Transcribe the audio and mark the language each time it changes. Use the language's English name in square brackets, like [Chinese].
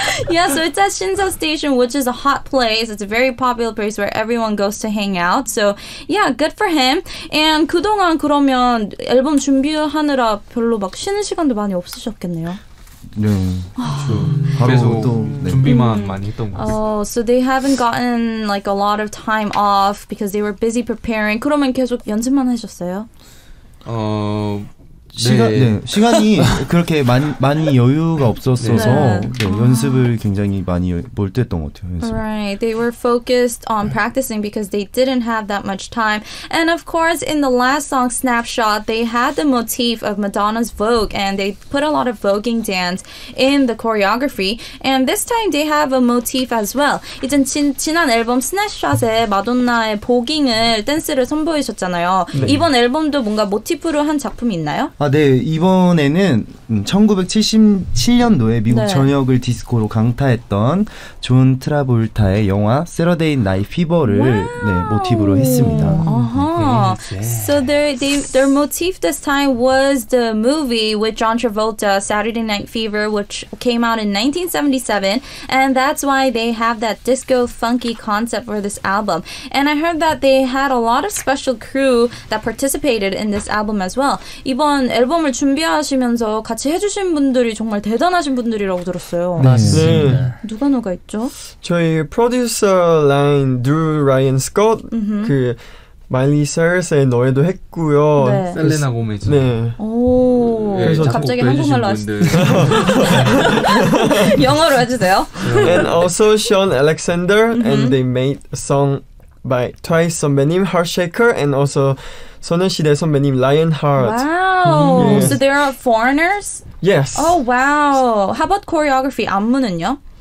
[English] Yeah, so it's at Shinsa Station, which is a hot place. It's a very popular place where everyone goes to hang out. So yeah, good for him. And [Korean] 그동안 그러면 앨범 준비하느라 별로 막 쉬는 시간도 많이 없으셨겠네요. 네. 바로 계속 또 네. 준비만 많이 했던 것 같아요. [English] Oh, so they haven't gotten like a lot of time off because they were busy preparing. [Korean] 그러면 계속 연습만 하셨어요? 네. 시간이 그렇게 많이 여유가 없었어서 네. 네, 연습을 굉장히 많이 몰두했던 것 같아요. 연습. [English] Right. They were focused on practicing because they didn't have that much time. And of course, in the last song, Snapshot, they had the motif of Madonna's Vogue and they put a lot of voguing dance in the choreography. And this time, they have a motif as well. [Korean] 이제 지난 앨범 Snapshot에 마돈나의 voguing을 댄스를 선보이셨잖아요. 네. 이번 앨범도 뭔가 모티프로 한 작품 있나요? 아, 네. 이번에는 1977년도에 미국 네. 전역을 디스코로 강타했던 존 트라볼타의 영화 Saturday Night Fever를 네, 모티브로 했습니다. Uh-huh. [English] Yes. So their motif this time was the movie with John Travolta, Saturday Night Fever, which came out in 1977. And that's why they have that disco funky concept for this album. And I heard that they had a lot of special crew that participated in this album as well. [Korean] 이번 앨범을 준비하시면서 같이 해주신 분들이 정말 대단하신 분들이라고 들었어요. 맞습니다. 네. 누가 있죠? 저희 프로듀서 라인 드루 라이언 스콧 그 마일리 사이러스의 노래도 했고요. 네. 셀레나 고메즈. 네. 오. 그래서 갑자기 한국말로 하시죠. 영어로 해주세요. [English] And also Sean Alexander and they made a song by Twice 선배님 Heartshaker and also 소녀시대 선배님 Lionheart. Wow. Yes. So there are foreigners? Yes. Oh wow. How about choreography? [Korean] 안무는요?